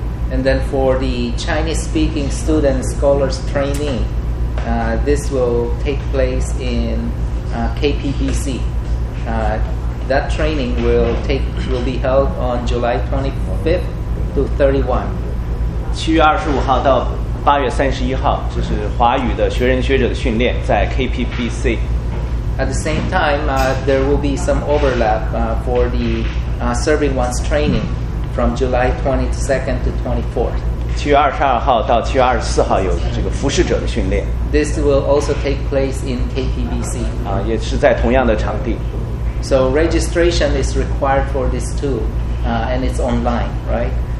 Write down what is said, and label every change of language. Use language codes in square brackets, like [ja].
[en] And then for the Chinese-speaking student scholars training, this will take place in KPBC. That training will be held on July 25th to 31. [zh] 7月25号到8月31号，这是华语的学人学者的训练，在 KPBC. [en] At the same time, there will be some overlap for the serving ones training. From July 22nd to 24th. [zh] 7月22号到7月24号有这个服侍者的训练。 [en] This will also take place in KPBC. [zh] 啊，也是在同样的场地。 [en] So registration is required for this too, and it's online, right?